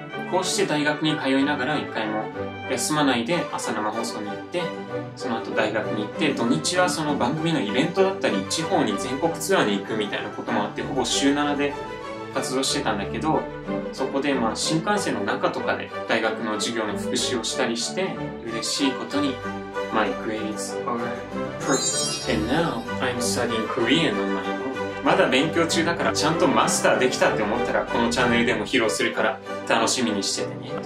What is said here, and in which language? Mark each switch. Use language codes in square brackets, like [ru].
[ja] こうして大学に通いながら一回も休まないで朝生放送に行って、その後大学に行って、土日はその番組のイベントだったり、地方に全国ツアーに行くみたいなこともあって、ほぼ週7で活動してたんだけど、そこでまあ新幹線の中とかで大学の授業の復習をしたりして、嬉しいことに、 [en] My grades are perfect. And now, I'm studying Korean on my own. [ja] まだ勉強中だから、ちゃんとマスターできたって思ったら、このチャンネルでも披露するから、楽しみにしててね。